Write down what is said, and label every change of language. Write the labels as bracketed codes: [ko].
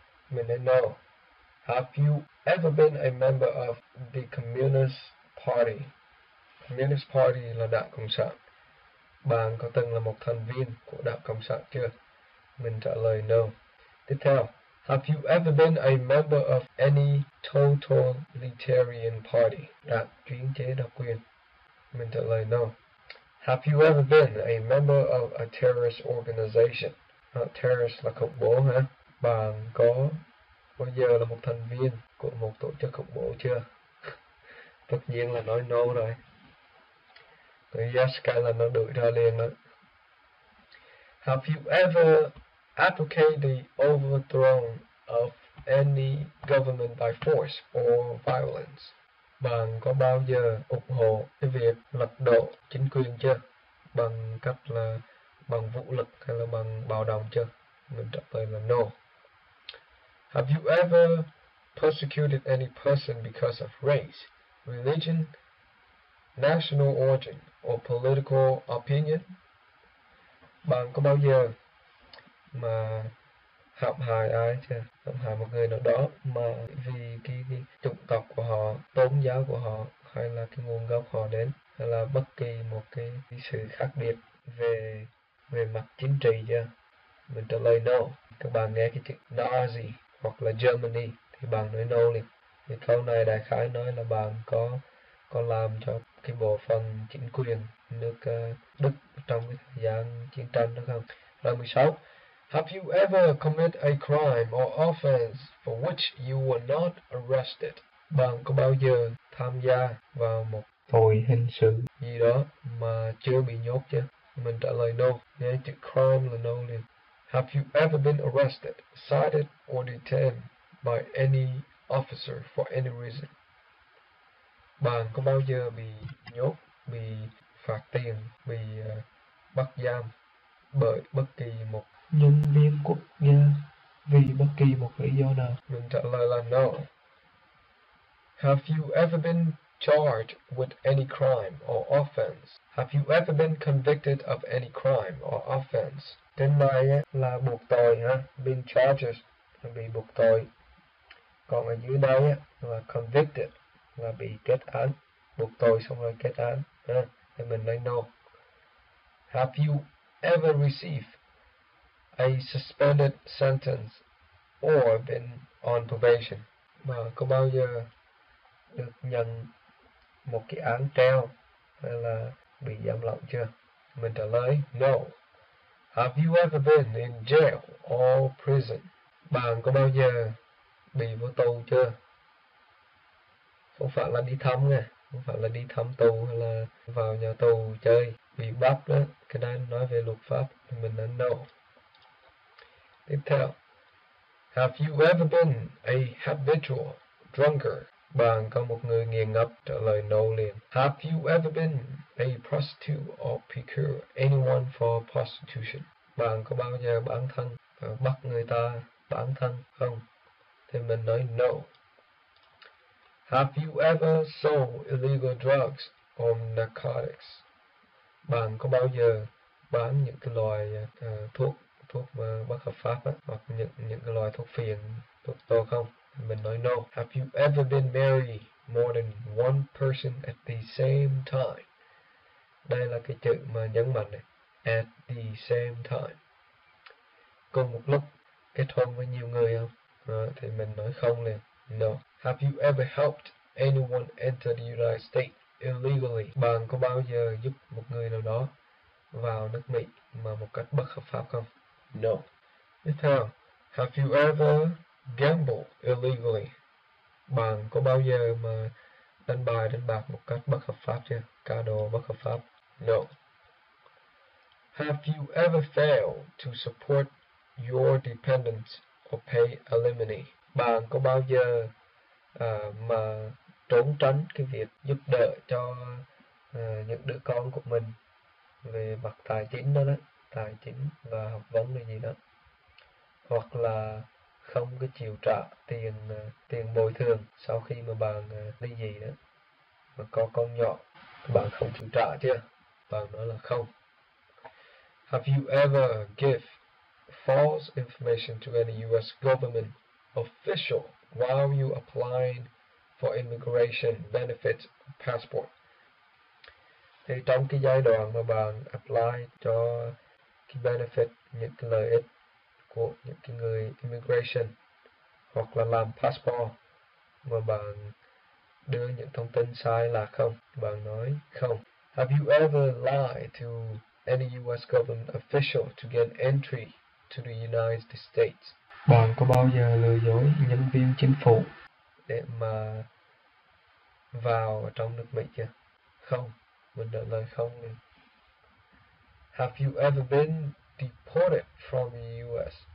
[vi] Mình nên know. [en] Have you ever been a member of the Communist Party? Communist Party [vi] là đảng cộng sản. Bạn có từng là một thành viên của đảng cộng sản chưa? Mình trả lời no. Tiếp theo. [en] Have you ever been a member of any totalitarian party? [vi] Đảng chuyên chế độc quyền. Mình trả lời no. [en] Have you ever been a member of a terrorist organization? [vi] Terrorist là khủng bố hả? Bạn có bao giờ là một thành viên của một tổ chức khủng bố chưa? Tất nhiên là nói no rồi. Cái yes cái là nó đuổi ra liền đó. [en] Have you ever advocated the overthrow of any government by force or violence? [vi] Bạn có bao giờ ủng hộ cái việc lật đổ chính quyền chưa? Bằng cách là bằng vũ lực hay là bằng bạo động chưa? Mình trả lời là no. [en] Have you ever persecuted any person because of race, religion, national origin or political opinion? [vi] Bạn có bao giờ mà hãm hại ai chưa? Hãm hại một người nào đó mà vì cái chủng tộc của họ, tôn giáo của họ hay là cái nguồn gốc họ đến hay là bất kỳ một cái sự khác biệt về mặt chính trị chưa? Mình trả lời no. Các bạn nghe cái chữ Nazi hoặc là Germany thì bạn nói no liền. Thì câu này đại khái nói là bạn có làm cho cái bộ phận chính quyền nước Đức trong cái thời gian chiến tranh đúng không? Rồi 16. [en] Have you ever committed a crime or offense for which you were not arrested? [vi] Bạn có bao giờ tham gia vào một tội hình sự gì đó mà chưa bị nhốt chưa? Mình trả lời no. Nghe chữ crime là no liền. [en] Have you ever been arrested, cited or detained by any officer for any reason? [vi] Bạn có bao giờ bị nhốt, bị phạt tiền, bị bắt giam bởi bất kỳ một nhân viên quốc gia vì bất kỳ một lý do nào? Mình trả lời là no. [en] Have you ever been charged with any crime or offense? Have you ever been convicted of any crime or offense? [vi] Tên này là buộc tội ha, [en] been charged [vi] là bị buộc tội. Còn ở dưới đây á, là convicted là bị kết án, buộc tội xong rồi kết án ha. Thì mình nói no. [en] Have you ever received a suspended sentence or been on probation? [vi] Mà có bao giờ được nhận một cái án treo hay là bị giam lỏng chưa? Mình trả lời no. [en] Have you ever been in jail or prison? [vi] Bạn có bao giờ bị vô tù chưa? Không phải là đi thăm nha, không phải là đi thăm tù hay là vào nhà tù chơi bị bắt đó. Cái này nói về luật pháp thì mình nên no. Tiếp theo, [en] Have you ever been a habitual drunkard? [vi] Bạn có một người nghiện ngập, trả lời no liền. [en] Have you ever been a prostitute or procure anyone for prostitution? [vi] Bạn có bao giờ bán thân, bắt người ta bán thân không? Thì mình nói no. [en] Have you ever sold illegal drugs or narcotics? [vi] Bạn có bao giờ bán những cái loại thuốc thuốc bất hợp pháp á, hoặc những cái loại thuốc phiện, thuốc tô không? Mình nói no. [en] Have you ever been married more than one person at the same time? [vi] Đây là cái chữ mà nhấn mạnh này. [en] At the same time. [vi] Cùng một lúc kết hôn với nhiều người không? Thì mình nói không liền. No. [en] Have you ever helped anyone enter the United States illegally? [vi] Bạn có bao giờ giúp một người nào đó vào nước Mỹ mà một cách bất hợp pháp không? No. Tiếp theo, [en] Have you ever gamble illegally? [vi] Bạn có bao giờ mà đánh bài đánh bạc một cách bất hợp pháp chưa? Cá độ bất hợp pháp? No. [en] Have you ever failed to support your dependents or pay alimony? [vi] Bạn có bao giờ mà trốn tránh cái việc giúp đỡ cho những đứa con của mình về mặt tài chính đó, tài chính và học vấn là gì đó, hoặc là không có chịu trả tiền tiền bồi thường sau khi mà bạn ly dị đó mà có con nhỏ, bạn không chịu trả chưa? Bạn nói là không. [en] Have you ever give false information to any US government official while you applying for immigration benefit passport? [vi] Thì trong cái giai đoạn mà bạn apply cho cái benefit, những cái lợi ích của những cái người immigration hoặc là làm passport mà bạn đưa những thông tin sai lạc không? Bạn nói không. [en] Have you ever lied to any US government official to get entry to the United States? [vi] Bạn có bao giờ lừa dối nhân viên chính phủ để mà vào trong nước Mỹ chưa? Không. Mình trả lời không. [en] Have you ever been deported from the US?